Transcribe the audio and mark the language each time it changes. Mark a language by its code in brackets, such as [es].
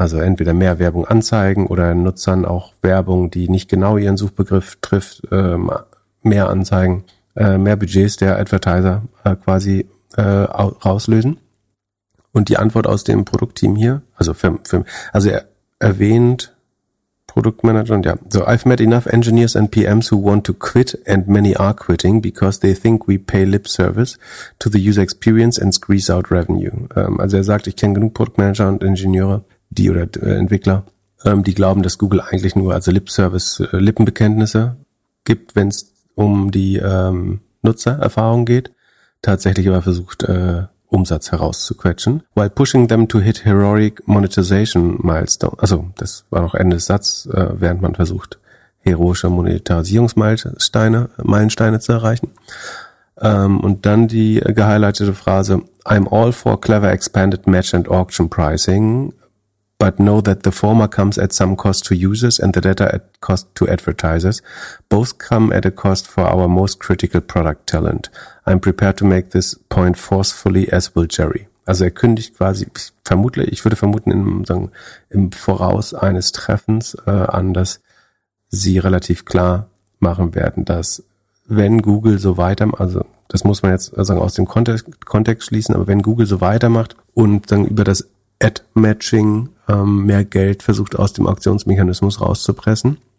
[de] Also entweder mehr Werbung anzeigen oder Nutzern auch Werbung, die nicht genau ihren Suchbegriff trifft, mehr anzeigen. Mehr Budgets der Advertiser quasi rauslösen. Und die Antwort aus dem Produktteam hier, also erwähnt Produktmanager und ja. [en] So, I've met enough engineers and PMs who want to quit and many are quitting because they think we pay lip service to the user experience and squeeze out revenue. [de] Also er sagt, ich kenne genug Produktmanager und Ingenieure, die oder Entwickler, die glauben, dass Google eigentlich nur also Lip Service, Lippenbekenntnisse gibt, wenn es um die Nutzererfahrung geht, tatsächlich aber versucht, Umsatz herauszuquetschen, [en] while pushing them to hit heroic monetization milestones. [de] Also, das war noch Ende des Satzes, während man versucht, heroische Monetarisierungsmeilensteine zu erreichen. Und dann die gehighlightete Phrase, [en] I'm all for clever expanded match and auction pricing, but know that the former comes at some cost to users and the latter at cost to advertisers. Both come at a cost for our most critical product talent. I'm prepared to make this point forcefully as will Jerry. [de] Also er kündigt quasi, ich würde vermuten, im Voraus eines Treffens an, dass sie relativ klar machen werden, dass wenn Google so weitermacht, also das muss man jetzt sagen aus dem Kontext schließen, aber wenn Google so weitermacht und dann über das Ad-Matching mehr Geld versucht aus dem Auktionsmechanismus rauszupressen,